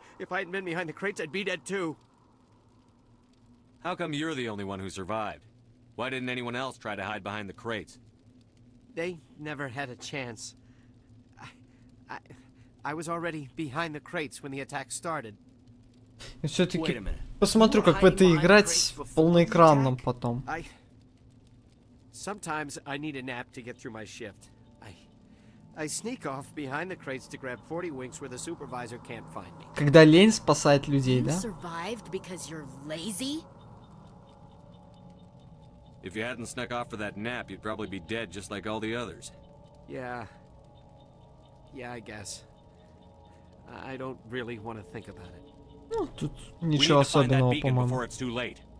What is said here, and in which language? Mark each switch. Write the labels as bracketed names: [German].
[English] If I hadn't been behind the crates, I'd be dead too. How come you're the only one who survived? Why didn't anyone else try to hide behind the crates? They never had a chance. I was already behind the crates when the attack started. [Russian] Все-таки посмотрю, как в это играть полноэкранным потом. [English] Sometimes I need a nap to get through my shift. I sneak off behind the crates to grab 40 winks where the supervisor can't find me. [Russian] Когда лень спасает людей, да? [English] You survived because you're lazy? If you hadn't snuck off for that nap, you'd probably be dead just like all the others. Yeah. Yeah, I guess. I don't really want to think about it. [Russian] Ну, тут ничего особенного, по-моему.